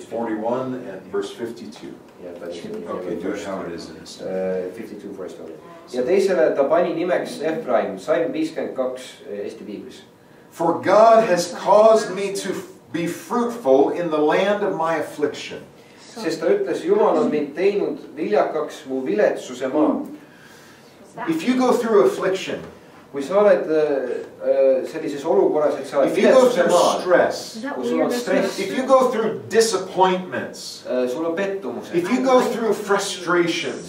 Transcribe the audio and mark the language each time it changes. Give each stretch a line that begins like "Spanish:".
English: 41 and verse 52. Yeah, but okay, Josh, how it is in
Estonian: 52
English: first of all.
Estonian: Ja teisele ta pani nimeks Ephraim, Psalm 52 Eesti Biiblis.
English: For God has caused me to be fruitful in the land of my affliction.
Estonian: Sest ta ütles, Jumal on mind teinud viljakaks mu viletsuse maa.
English: If you go through affliction,
Estonian: kui sa oled sellises olukorras, et sa oled viletsuse maa,
English: stress,
Estonian: kui sul on stress,
English: if you go through disappointments,
Estonian: sul on pettumused,
English: if you go through frustrations,